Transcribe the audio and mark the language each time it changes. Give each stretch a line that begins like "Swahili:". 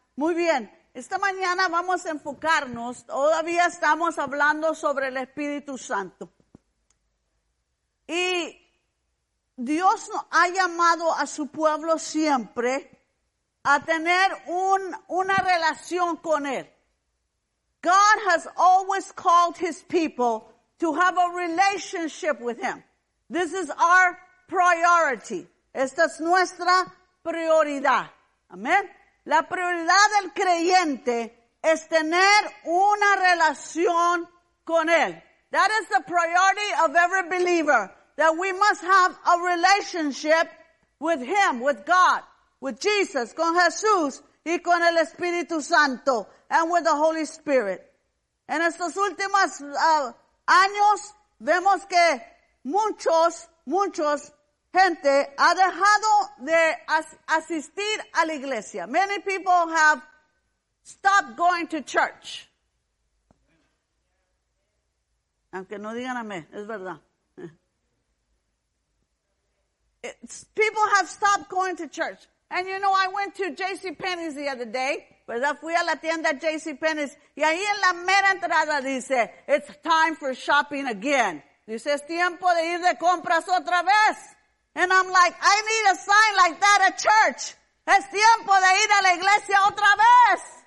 Spanish: Muy bien, esta mañana vamos a enfocarnos, todavía estamos hablando sobre el Espíritu Santo. Y Dios ha llamado a su pueblo siempre a tener una relación con él.
English: God has always called his people to have a relationship with him. This is our priority.
Spanish: Esta es nuestra prioridad. Amén. La prioridad del creyente es tener una relación con él.
English: That is the priority of every believer, that we must have a relationship with him, with God, with Jesus,
Spanish: con Jesús y con el Espíritu Santo,
English: and with the Holy Spirit.
Spanish: En estos últimos años, vemos que muchos gente ha dejado de asistir a la iglesia.
English: Many people have stopped going to church.
Spanish: Aunque no digan amén, es verdad.
English: People have stopped going to church. And you know, I went to JCPenney's the other day.
Spanish: ¿Verdad? Fui a la tienda JCPenney's. Y ahí en la mera entrada dice,
English: it's time for shopping again.
Spanish: Dice, es tiempo de ir de compras otra vez.
English: And I'm like, I need a sign like that at church.
Spanish: Es tiempo de ir a la iglesia otra vez.